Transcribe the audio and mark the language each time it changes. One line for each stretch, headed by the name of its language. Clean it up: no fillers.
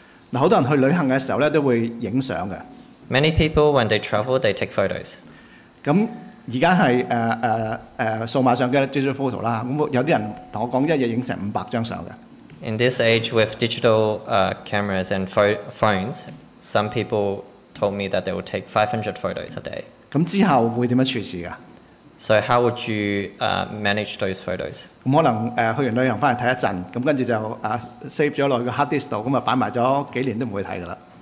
Cantonese: 嗱，好多人去旅行嘅時候咧，都會影相嘅。
English: Many people when they travel, they take photos.
Cantonese: 咁而家係數碼相機
English: digital photo
Cantonese: 啦。咁有啲人同我講，一日影成500张相嘅。
English: In this age with digital cameras and phones, some people told me that they will take 500 photos a day.
Cantonese: 咁之後會點樣處置㗎？
English: So how would you manage those photos?
Cantonese: 咁可能去完旅行翻嚟睇一陣，咁跟住就save 咗落個 hard disk 度，咁啊擺埋咗幾年都唔會睇噶啦。